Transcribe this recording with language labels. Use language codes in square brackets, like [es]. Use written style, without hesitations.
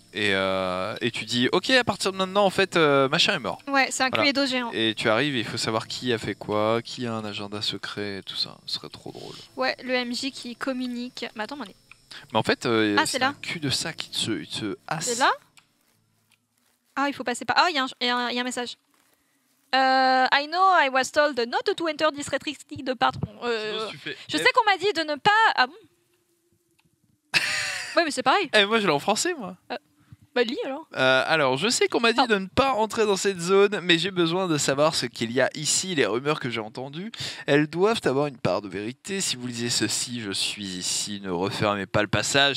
[fr] Et tu dis, ok, à partir de maintenant, en fait, machin est mort. Ouais, c'est un cluedo géant. Et tu arrives, il faut savoir qui a fait quoi, qui a un agenda secret, tout ça. Ce serait trop drôle. Ouais, le MJ qui communique. Mais attends, Mais en fait, c'est un cul de sac, il te asse. C'est là ? Ah, il faut passer par. Ah, il y a un message. [en] I know I was told not to enter this restricted part. [fr] Sinon, je sais qu'on m'a dit de ne pas. Ah bon ? Ouais, mais c'est pareil. Et moi, je l'ai en français, moi. Bah, lis, alors. Alors, je sais qu'on m'a dit de ne pas entrer dans cette zone, mais j'ai besoin de savoir ce qu'il y a ici, les rumeurs que j'ai entendues. Elles doivent avoir une part de vérité. Si vous lisez ceci, je suis ici, ne refermez pas le passage.